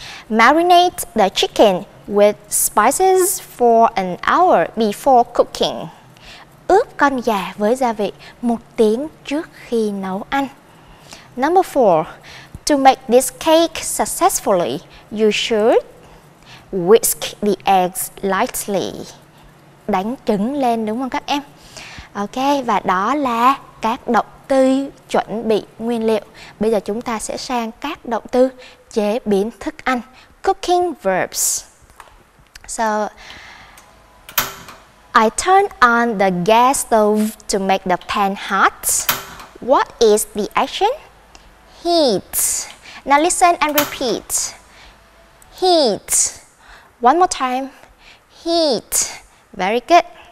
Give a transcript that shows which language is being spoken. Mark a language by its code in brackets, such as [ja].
[en] Marinate the chicken with spices for an hour before cooking. [vi] Ướp con gà với gia vị một tiếng trước khi nấu ăn. [en] Number 4. To make this cake successfully, you should whisk the eggs lightly. [vi] Đánh trứng lên đúng không các em? Ok, và đó là các động từ chuẩn bị nguyên liệu. Bây giờ chúng ta sẽ sang các động từ chế biến thức ăn. [en] Cooking verbs. So, I turn on the gas stove to make the pan hot. What is the action? Heat. Now listen and repeat. Heat. One more time. Heat. Very good.